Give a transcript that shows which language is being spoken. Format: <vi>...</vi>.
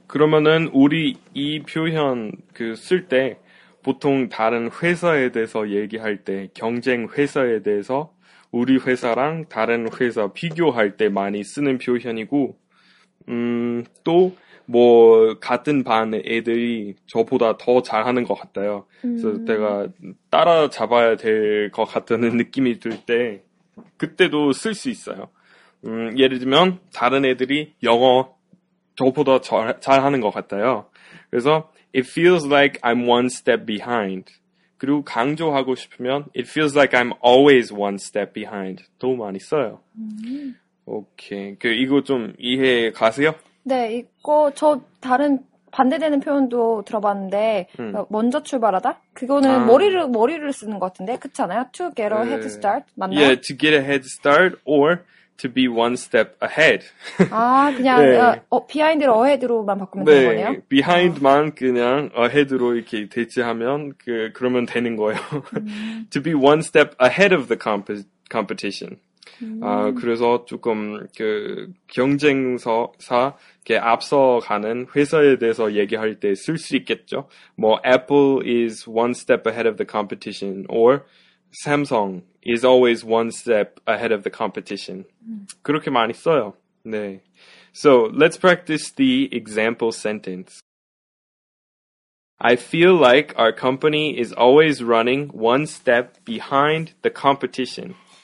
<ko>그러면은 우리 이 표현 그 쓸 때 보통 다른 회사에 대해서 얘기할 때 경쟁 회사에 대해서 우리 회사랑 다른 회사 비교할 때 많이 쓰는 표현이고 또 뭐 같은 반 애들이 저보다 더 잘하는 것 같아요. 그래서 내가 따라잡아야 될 것 같다는 느낌이 들 때 그때도 쓸 수 있어요. 예를 들면 다른 애들이 영어 저보다 잘하는 것 같아요. 그래서</ko> <en>It feels like I'm one step behind.</en> <ko>그리고 강조하고 싶으면</ko> <en>It feels like I'm always one step behind.</en> <ko>더 많이 써요. 오케이. 그 이거 좀 이해 가세요? 네, 있고 저 다른 반대되는 표현도 들어봤는데 먼저 출발하다? 그거는 머리를 쓰는 것 같은데 그렇지 않아요?</ko> <en>To get a head start</en> <ko>맞나요?</ko> <en>Yeah, to get a head start or to be one step ahead.</en> <ko>아, 그냥 네. Behind를 ahead로만 바꾸면 네, 되는 거네요? 네, behind만 그냥 ahead로 이렇게 대체하면 그러면 되는 거예요.</ko> <en>to be one step ahead of the competition.</en> <ko>그래서 조금 그 경쟁사 이렇게 앞서가는 회사에 대해서 얘기할 때 쓸 수 있겠죠.</ko> <en>뭐 Apple is one step ahead of the competition or Samsung is always one step ahead of the competition.</en> <ko>그렇게 많이 써요. 네.</ko> <en>So let's practice the example sentence. I feel like our company is always running one step behind the competition.</en>